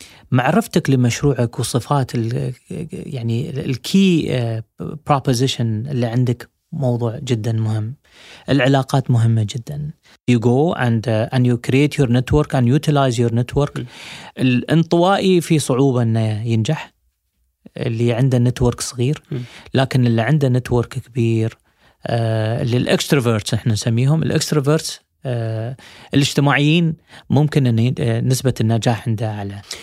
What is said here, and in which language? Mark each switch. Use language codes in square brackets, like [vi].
[ar] معرفتك لمشروعك وصفات الـ يعني الكي بروبوزيشن اللي عندك موضوع جدا مهم. العلاقات مهمة جدا. [en] You go and you create your network and utilize your network. [ar] الانطوائي في صعوبة انه ينجح اللي عنده نتورك صغير، لكن اللي عنده نتورك كبير للاكستروفرتس احنا نسميهم الاكستروفرتس الاجتماعيين ممكن ان نسبة النجاح عنده على